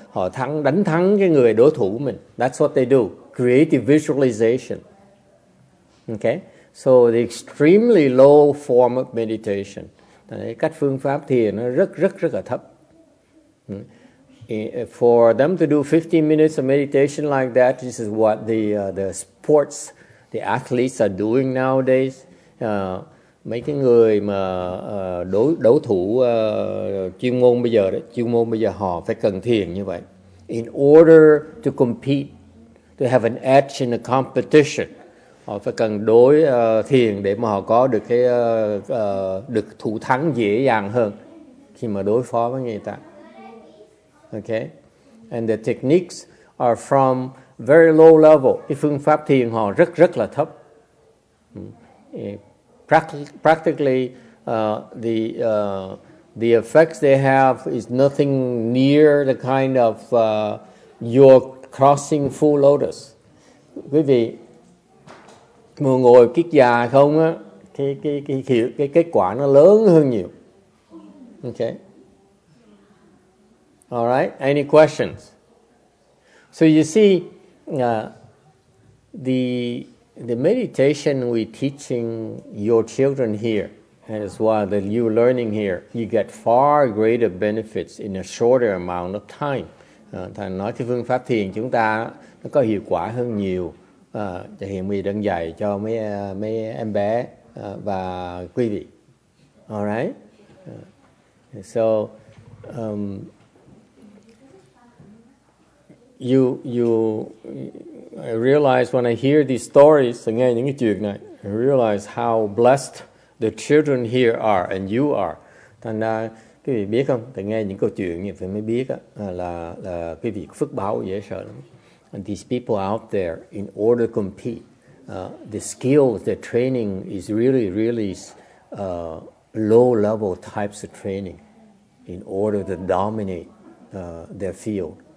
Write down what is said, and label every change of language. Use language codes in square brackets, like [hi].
[vi] Họ đánh thắng cái người đối thủ của mình. [en] That's what they do. Creative visualization. Okay? So the extremely low form of meditation. [vi] Cách phương pháp thiền nó rất rất rất là thấp. [en] For them to do 15 minutes of meditation like that, this is what the athletes are doing nowadays. [vi] Mấy cái người mà đấu thủ chuyên môn bây giờ họ phải cần thiền như vậy. [en] In order to compete, to have an edge in a competition, [vi] họ phải cần đối thiền để mà họ có được cái được thủ thắng dễ dàng hơn khi mà đối phó với người ta. [en] Okay, and the techniques are from very low level. [vi] Cái phương pháp thiền họ rất rất là thấp. [en] Practically the effects they have is nothing near the kind of your crossing full lotus. [vi] Quý vị mà ngồi kiết già không á, cái kết quả nó lớn hơn nhiều. [en] Okay. All right. Any questions? So you see, the meditation we're teaching your children here, as well that you're learning here, you get far greater benefits in a shorter amount of time. [vi] Thầy nói cái phương pháp thiền chúng ta nó có hiệu quả hơn nhiều. Thì hiện mình đang dạy cho mấy em bé và quý vị. [en] All right? So, you I realize when I hear these stories again, [vi] những cái chuyện này, [en] I realize how blessed the children here are and you are. [vi] Thành ra quý vị biết không? Thì nghe những câu chuyện như vậy mới biết á, là quý vị phước báo dễ sợ lắm. [en] And these people out there, in order to compete, the skills, the training is really, really low-level types of training in order to dominate their field.